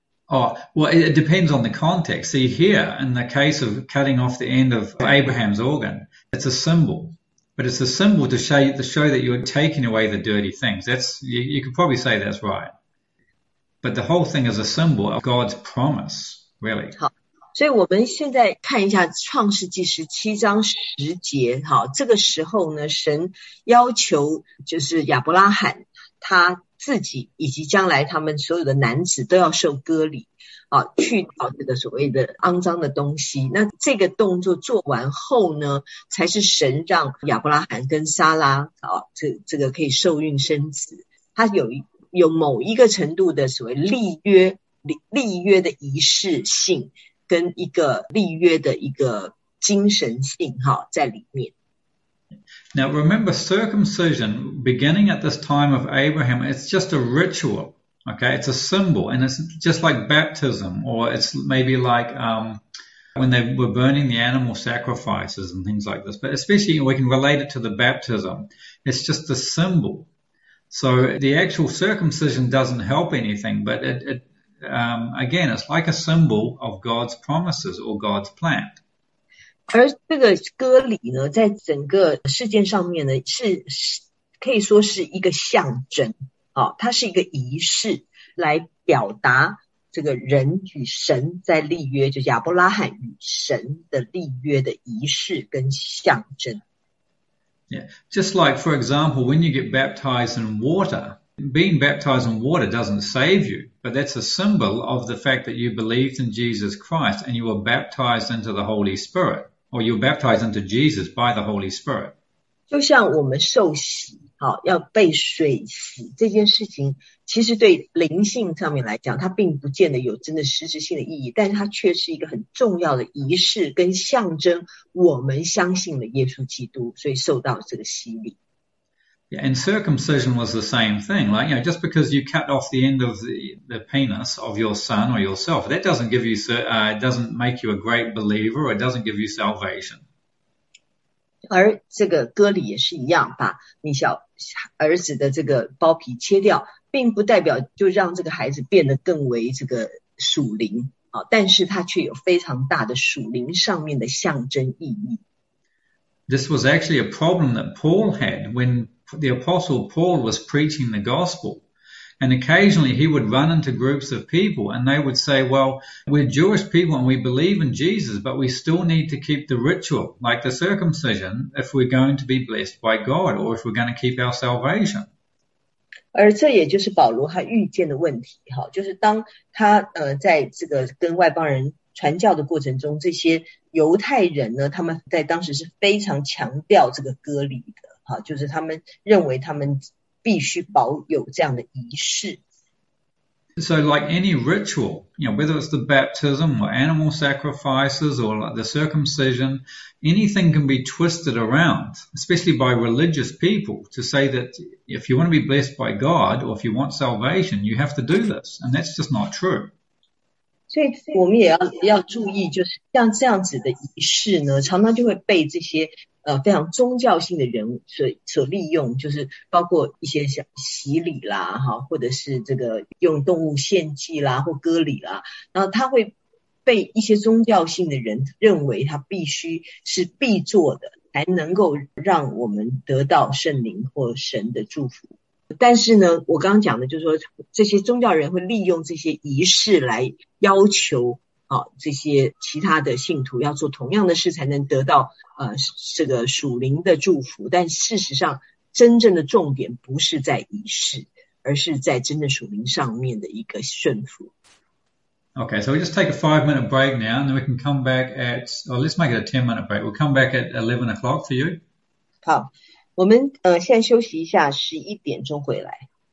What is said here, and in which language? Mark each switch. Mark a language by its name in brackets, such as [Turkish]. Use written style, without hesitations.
[English] Oh, well, it depends on the context. See, here, in the case of cutting off the end of Abraham's organ, it's a symbol. But it's a symbol to show that you're taking away the dirty things. You could probably say that's right. But the whole thing is a symbol of God's promise, really. [Chinese] 所以我们现在看一下创世纪17:10，好，这个时候呢，神要求就是亚伯拉罕他自己以及将来他们所有的男子都要受割礼，啊，去掉这个所谓的肮脏的东西。那这个动作做完后呢，才是神让亚伯拉罕跟撒拉啊，这个可以受孕生子。他有某一个程度的所谓立约的仪式性，跟一个立约的一个精神性哈，在里面。 [English] Now remember, circumcision beginning at this time of Abraham, it's just a ritual. Okay, it's a symbol, and it's just like baptism, or it's maybe like when they were burning the animal sacrifices and things like this. But especially, we can relate it to the baptism. It's just a symbol. So the actual circumcision doesn't help anything, but again, it's like a symbol of God's promises or God's plan. [Chinese] 而这个割礼呢，在整个事件上面呢，是可以说是一个象征，哦，它是一个仪式，来表达这个人与神在立约，就亚伯拉罕与神的立约的仪式跟象征。 [English] Yeah, just like for example, when you get baptized in water, being baptized in water doesn't save you, but that's a symbol of the fact that you believed in Jesus Christ and you were baptized into the Holy Spirit, or you're baptized into Jesus by the Holy Spirit. [Chinese] 就像我们受洗，好，要被水洗这件事情，其实对灵性上面来讲，它并不见得有真的实质性的意义，但是它却是一个很重要的仪式跟象征。我们相信了耶稣基督，所以受到这个洗礼。 [English] Yeah, and circumcision was the same thing. Like, you know, just because you cut off the end of the penis of your son or yourself, that doesn't give you, doesn't make you a great believer, or it doesn't give you salvation. [Chinese] 而这个割礼也是一样，把你小儿子的这个包皮切掉，并不代表就让这个孩子变得更为这个属灵，啊，但是他却有非常大的属灵上面的象征意义。 [English] This was actually a problem that Paul had when the apostle Paul was preaching the gospel. And occasionally he would run into groups of people and they would say, well, we're Jewish people and we believe in Jesus, but we still need to keep the ritual, like the circumcision, if we're going to be blessed by God or if we're going to keep our salvation. [Chinese] 而这也就是保罗他遇见的问题，就是当他在这个跟外邦人传教的过程中，这些犹太人呢，他们在当时是非常强调这个割礼的，就是他们认为他们必须保有这样的仪式。 [English] So like any ritual, you know, whether it's the baptism or animal sacrifices or like the circumcision, anything can be twisted around, especially by religious people, to say that if you want to be blessed by God or if you want salvation, you have to do this. And that's just not true. [Chinese] 所以我们也要注意，就是像这样子的仪式呢，常常就会被这些非常宗教性的人所利用，就是包括一些像洗礼啦，哈，或者是这个用动物献祭啦，或割礼啦，然后他会被一些宗教性的人认为他必须是必做的，才能够让我们得到圣灵或神的祝福。但是呢，我刚刚讲的就是说，这些宗教人会利用这些仪式来要求这些其他的信徒要做同样的事才能得到这个属灵的祝福，但事实上真正的重点不是在仪式，而是在真正属灵上面的一个顺服。 [English] Okay, so we just take a 5 minute break now and then we can come back at, or let's make it a 10 minute break, we'll come back at 11 o'clock for you. [Chinese] 好，我们现在休息一下，11点钟回来。